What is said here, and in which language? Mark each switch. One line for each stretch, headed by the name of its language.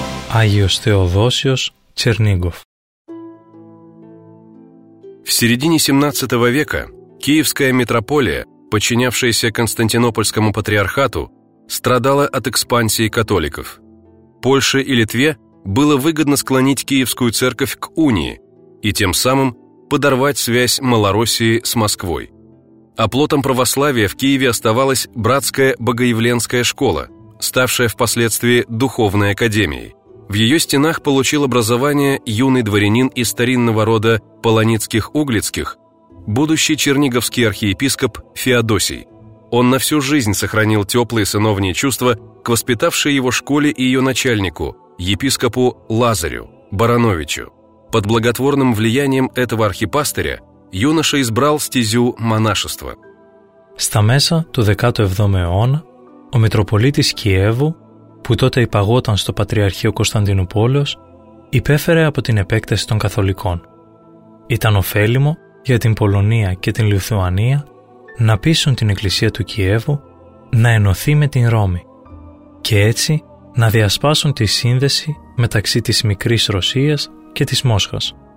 Greek: Άγιος Θεοδόσιος Τσερνίγκοφ.
Russian: В середине 17 века Киевская митрополия, подчинявшаяся Константинопольскому патриархату, страдала от экспансии католиков. Польше и Литве было выгодно склонить Киевскую церковь к унии и тем самым подорвать связь Малороссии с Москвой. Оплотом православия в Киеве оставалась Братская Богоявленская школа, ставшая впоследствии духовной академией. В ее стенах получил образование юный дворянин из старинного рода Полоницких-Углицких, будущий черниговский архиепископ Феодосий. Он на всю жизнь сохранил теплые сыновние чувства к воспитавшей его школе и ее начальнику, епископу Лазарю Барановичу. Под благотворным влиянием этого архипастыря юноша избрал стезю монашества.
Greek: Στα μέσα του 17ου αιώνα, ο Μητροπολίτης Κιέβου, που τότε υπαγόταν στο Πατριαρχείο Κωνσταντινούπολεως, υπέφερε από την επέκταση των Καθολικών. Ήταν ωφέλιμο για την Πολωνία και την Λιθουανία να πείσουν την Εκκλησία του Κιέβου να ενωθεί με την Ρώμη και έτσι να διασπάσουν τη σύνδεση μεταξύ της Μικρής Ρωσίας και της Μόσχας.